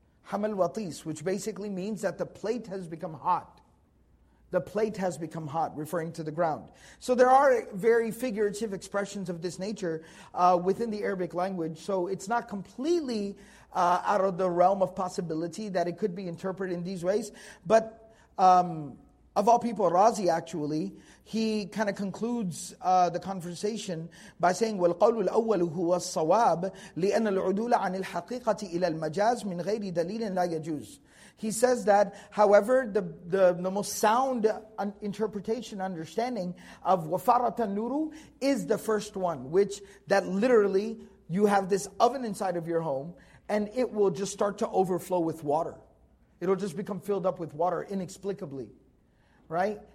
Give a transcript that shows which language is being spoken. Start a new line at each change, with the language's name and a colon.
English: Hamal Watis, which basically means that the plate has become hot. The plate has become hot, referring to the ground. So there are very figurative expressions of this nature within the Arabic language. So it's not completely out of the realm of possibility that it could be interpreted in these ways. But of all people, Razi actually, he kind of concludes the conversation by saying,
Arabic: وَالْقَوْلُ الْأَوَّلُ هُوَ الصَّوَابُ لِأَنَّ الْعُدُولَ عَنِ الْحَقِيقَةِ إِلَى الْمَجَازِ مِنْ غَيْرِ دَلِيلٍ لَا يَجُوزُ.
English: He says that, however, the most sound interpretation, understanding of
Arabic: وَفَارَةَ النُّورُ
English: is the first one, which that literally you have this oven inside of your home and it will just start to overflow with water. It'll just become filled up with water inexplicably, right?